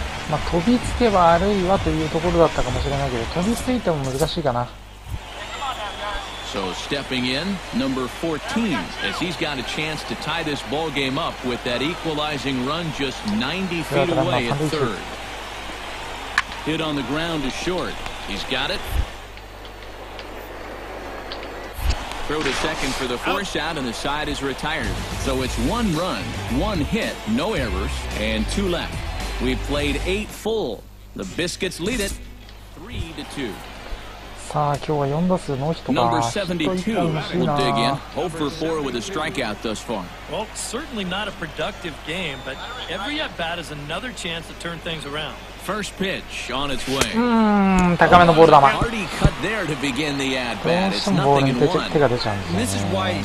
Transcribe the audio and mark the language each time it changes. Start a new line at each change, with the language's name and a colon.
Japanese: まあ飛びつけばあるいはというところだったかもしれないけど、飛びついても難しいかな。
English: So stepping in, number 14, as he's got a chance to tie this ball game up with that equalizing run just 90 feet away at third. Hit on the ground is short. He's got it. Throw to second for the force out and the side is retired. So it's one run, one hit, no errors, and two left. We played eight full. The Biscuits lead it 3-2.
Japanese: さあ今日は4打数ノーヒットか。ヒット1本欲しいな。高めのボール球、どうしてもボールに手が出ちゃうんですよね。